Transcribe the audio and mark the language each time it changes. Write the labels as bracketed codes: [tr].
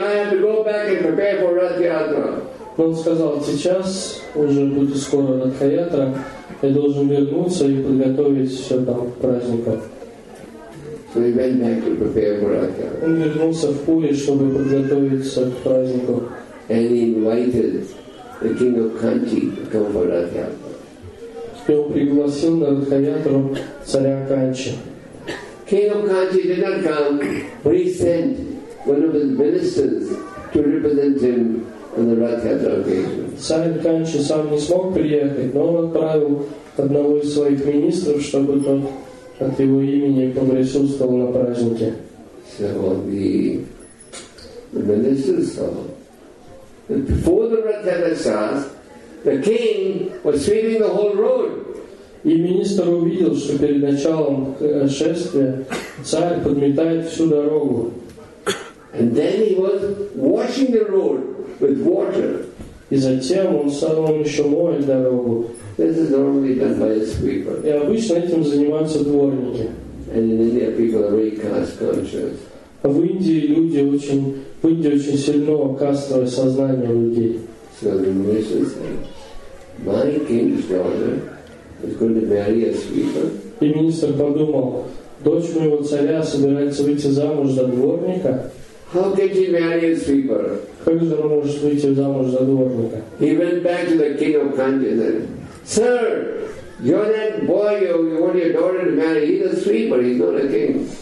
[en] I have to go back and prepare for Rath Yatra. [ru] Он сказал, сейчас уже будет скоро Рath Yatra. Я должен вернуться и подготовить все там к празднику. [en] So he went back to prepare for Rath Yatra. [ru] Он вернулся в Пури, чтобы подготовиться к празднику. [en] And he invited the king of Kanchi to come for Rath Yatra. [ru] Он пригласил на Рath Yatra царя Канчи. [en] King of Kanchi did not come, but he sent one of his ministers to represent him on the Rath Yatra occasion. [ru] Царь Канчи сам не смог приехать, но он отправил одного из своих министров, чтобы тот от его имени присутствовал на празднике. [en] So the minister saw. And before the Rath Yatra starts, the king was sweeping the whole road. [ru] И министр увидел, что перед началом шествия царь подметает всю дорогу. [en] And then he was washing the road with water. [ru] И затем он сам еще моет дорогу. [en] This is normally done by a sweeper. [ru] И обычно этим занимаются дворники. [en] And in India, people are very caste conscious. [ru] А в Индии люди очень, в Индии очень сильно кастовое сознание людей. [en] So the minister said, my king's daughter is going to marry a sweeper. [ru] И министр подумал, дочь моего царя собирается выйти замуж за дворника. [en] How can she marry a sweeper? [ru] Как же она может выйти замуж за дворника? [en] He went back to the king of Kanchi and said, sir, you're that boy, you want your daughter to marry, he's a sweeper, he's not a king.